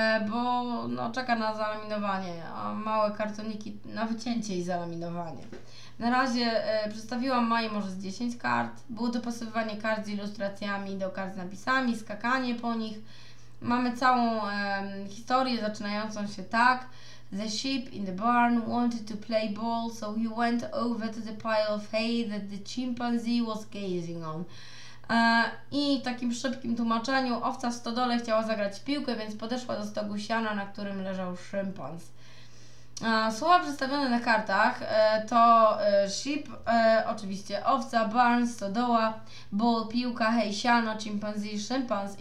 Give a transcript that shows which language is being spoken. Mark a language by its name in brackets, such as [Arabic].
[Polish] bo no, czeka na zalaminowanie, a małe kartoniki na wycięcie i zalaminowanie. Na razie przedstawiłam Maji może z 10 kart. Było dopasowywanie kart z ilustracjami do kart z napisami, skakanie po nich. Mamy całą historię zaczynającą się tak. [English] The sheep in the barn wanted to play ball, so he went over to the pile of hay that the chimpanzee was gazing on. [Polish] I w takim szybkim tłumaczeniu, owca w stodole chciała zagrać piłkę, więc podeszła do stogu siana, na którym leżał szympans. Słowa przedstawione na kartach to sheep, oczywiście owca, barn, stodoła, ball, piłka, hej, siano, chimpanzee, szympans.